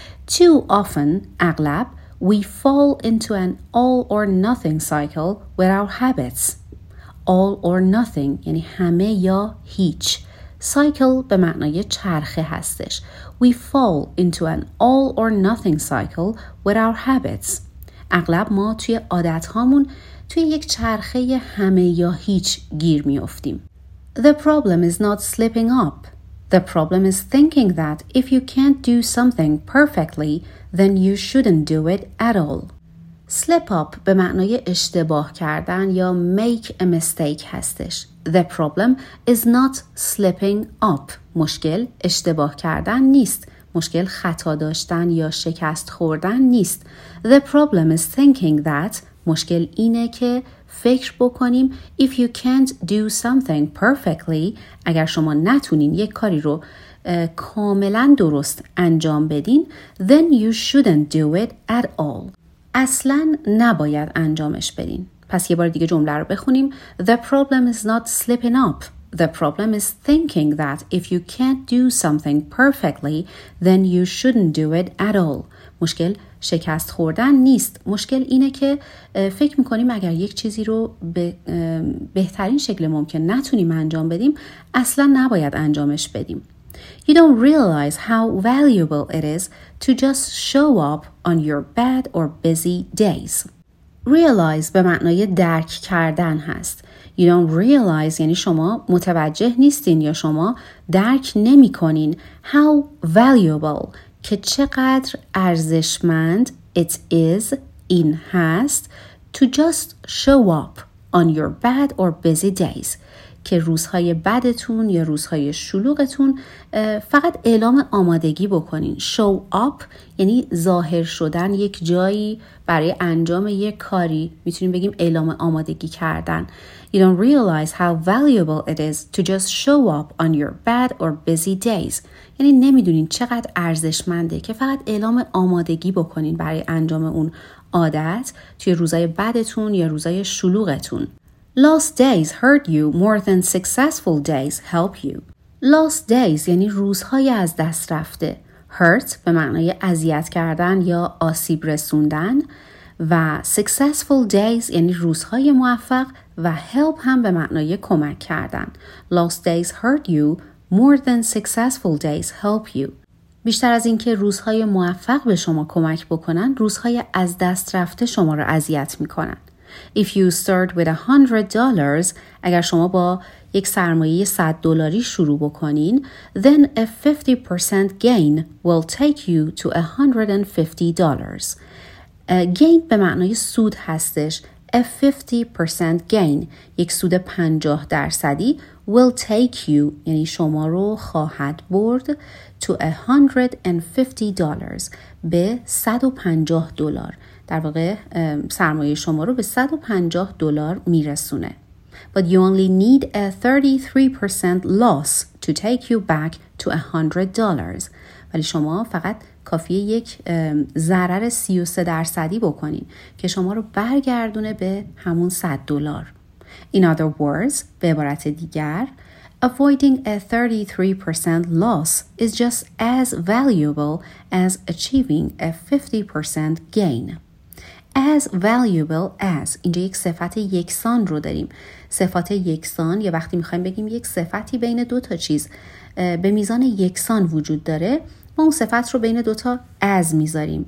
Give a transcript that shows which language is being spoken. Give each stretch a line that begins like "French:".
English: Too often, اغلب we fall into an all or nothing cycle with our habits. All or nothing
Persian: یعنی همه یا هیچ. Cycle به معنای چرخه هستش.
English: We fall into an all or nothing cycle with our habits.
Persian: اغلب ما توی عادت هامون توی یک چرخه همه یا هیچ گیر می افتیم.
English: The problem is not slipping up. The problem is thinking that if you can't do something perfectly, then you shouldn't do it at all.
Persian: Slip up به معنای اشتباه کردن یا
English: make a mistake
Persian: هستش.
English: The problem is not slipping up.
Persian: مشکل اشتباه کردن نیست. مشکل خطا داشتن یا شکست خوردن نیست.
English: The problem is thinking that
Persian: مشکل اینه که فکر بکنیم
English: if you can't do something perfectly
Persian: اگر شما نتونین یک کاری رو کاملا درست انجام بدین
English: then you shouldn't do it at all
Persian: اصلا نباید انجامش بدین. پس یه بار دیگه جمله رو بخونیم.
English: The problem is not slipping up. The problem is thinking that if you can't do something perfectly then you shouldn't do it at all.
Persian: مشکل شکست خوردن نیست. مشکل اینه که فکر میکنیم اگر یک چیزی رو به بهترین شکل ممکن نتونیم انجام بدیم اصلا نباید انجامش بدیم. You don't realize how valuable it is to just show up on your bad or busy days. Realize به معنای درک کردن هست.
English: You don't realize
Persian: یعنی شما متوجه نیستین یا شما درک نمی کنین
English: how valuable
Persian: که چقدر ارزشمند
English: it is
Persian: این هست
English: to just show up on your bad or busy days.
Persian: که روزهای بدتون یا روزهای شلوغتون فقط اعلام آمادگی بکنین. show up یعنی ظاهر شدن یک جایی برای انجام یک کاری، میتونیم بگیم اعلام آمادگی کردن.
English: you don't realize how valuable it is to just show up on your bad or busy days.
Persian: یعنی نمیدونین چقدر ارزشمنده که فقط اعلام آمادگی بکنین برای انجام اون عادت توی روزهای بدتون یا روزهای شلوغتون.
English: Lost days hurt you more than successful days help you.
Persian: Lost days یعنی روزهای از دست رفته. Hurt به معنای اذیت کردن یا آسیب رسوندن و successful days یعنی روزهای موفق و help هم به معنای کمک کردن.
English: Lost days hurt you more than successful days help you.
Persian: بیشتر از اینکه روزهای موفق به شما کمک بکنن، روزهای از دست رفته شما رو اذیت میکنن.
English: If you start with $100,
Persian: اگر شما با یک سرمایه 100 دلاری شروع بکنین،
English: then a 50% gain will take you to $150.
Persian: Gain به معنای سود هستش.
English: A 50% gain،
Persian: یک سود 50%
English: will take you،
Persian: یعنی شما رو خواهد برد،
English: to $150،
Persian: به 150 دلار. در واقع سرمایه شما رو به 150 دلار میرسونه.
English: But you only need a 33% loss to take you back to $100.
Persian: ولی شما فقط کافیه یک ضرر 33% بکنین که شما رو برگردونه به همون 100 دلار.
English: In other words،
Persian: به عبارت دیگر،
English: avoiding a 33% loss is just as valuable as achieving a 50% gain.
Persian: As valuable as، اینجا یک صفت یکسان رو داریم. صفت یکسان یا وقتی میخواییم بگیم یک صفتی بین دوتا چیز به میزان یکسان وجود داره، ما اون صفت رو بین دوتا as میذاریم.